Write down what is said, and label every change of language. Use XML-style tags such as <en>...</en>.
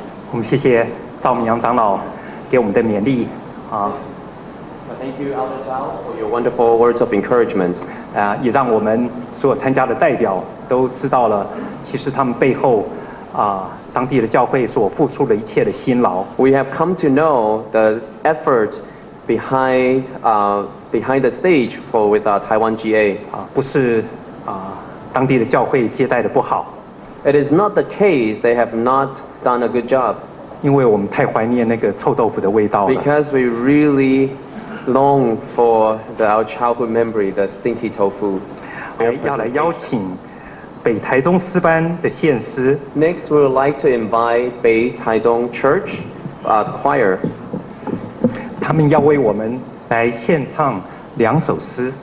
<zh>我们谢谢赵明阳长老给我们的勉励啊。</zh> <en>Thank you, Elder Zhao, for your wonderful words of encouragement.</en> <zh>也让我们所有参加的代表都知道了，其实他们背后啊。当地的教会所付出的一切的辛劳。</zh> <en>We have come to know the effort behind, behind the stage for with our Taiwan GA.</en> <zh>不是当地的教会接待的不好。</zh> <en>It is not the case they have not done a good job.</en> <zh>因为我们太怀念那个臭豆腐的味道了。</zh> <en>Because we really long for our childhood memory, the stinky tofu.</en> <zh>要来邀请。北台中师班的献诗。</zh> <en>Next, we would like to invite 北台中 Church, the choir.</en> <zh>他们要为我们来献唱两首诗。</zh>